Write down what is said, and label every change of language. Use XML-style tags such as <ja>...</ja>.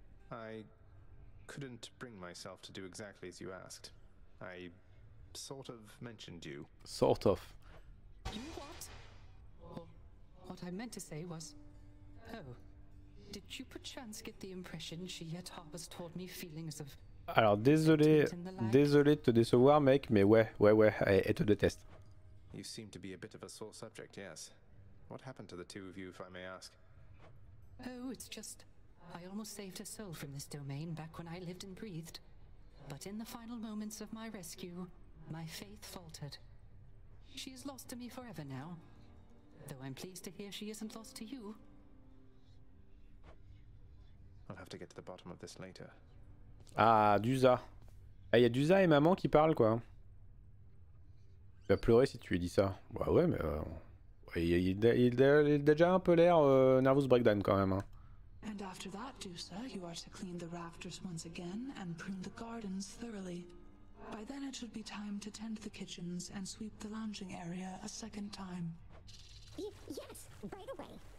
<en>I couldn't bring myself to do exactly as you asked. I sort of mentioned you. Sort of. You what? Well, what I meant to say was, oh, did you perchance get the impression she yet harbors toward me feelings of?</en> <fr>Alors désolé de te décevoir, mec, mais ouais, elle te déteste.</fr> <en>You seem to be a bit of a sore subject, yes. What happened to the two of you, if I may ask? Oh, it's just, I almost saved her soul from this domain back when I lived and breathed. But in the final moments of my rescue, my faith faltered. She is lost to me forever now. Though I'm pleased to hear she isn't lost to you. I'll have to get to the bottom of this later. Ah, Dusa.</en> <fr>Eh, y a Dusa et maman qui parlent, quoi. Il va pleurer si tu lui dis ça. Bah ouais, mais... Il a déjà un peu l'air</fr> <en>nervous breakdown,</en> <fr>quand même, hein.</fr> <en>And after that, Dusa, you are to clean the rafters once again and prune the gardens thoroughly. By then it should be time to tend the kitchens and sweep the lounging area a second time. Yes, right away.</en>